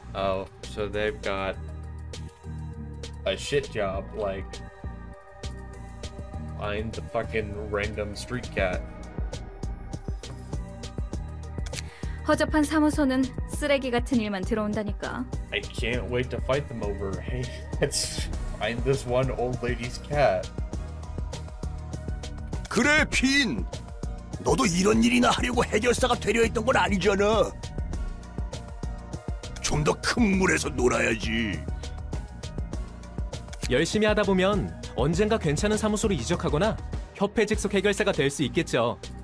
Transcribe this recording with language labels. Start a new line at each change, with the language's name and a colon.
English: Oh, so they've got a shit job, like find the fucking random street cat.
Korean: 허접한 사무소는 쓰레기 같은 일만 들어온다니까.
English: I can't wait to fight them over. Hey, let's find this one old lady's cat.
Korean: 그래, 핀. 너도 이런 일이나 하려고 해결사가 되려 했던 건 아니잖아. 좀 더 큰 물에서 놀아야지. 열심히 하다 보면 언젠가 괜찮은 사무소로 이적하거나 협회 직속 해결사가 될 수 있겠죠.